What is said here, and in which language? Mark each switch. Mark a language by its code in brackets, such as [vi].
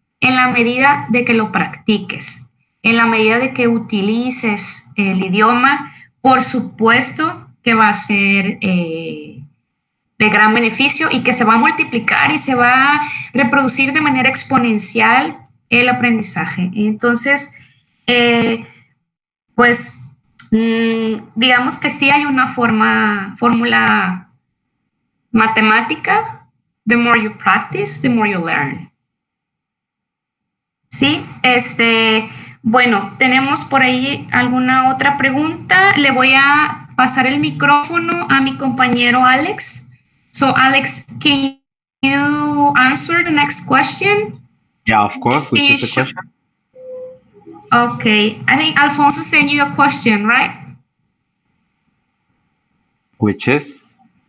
[es] En la medida de que lo practiques, en la medida de que utilices el idioma, por supuesto que va a ser de gran beneficio y que se va a multiplicar y se va a reproducir de manera exponencial el aprendizaje. Entonces, pues digamos que sí hay una fórmula matemática. [en] The more you practice, the more you learn. [es] Sí, bueno, tenemos por ahí alguna otra pregunta. Le voy a pasar el micrófono a mi compañero Alex. [en] So, Alex, can you answer the next question? Yeah, of course, which is the question. Okay, I think Alfonso sent you a question, right? Which is?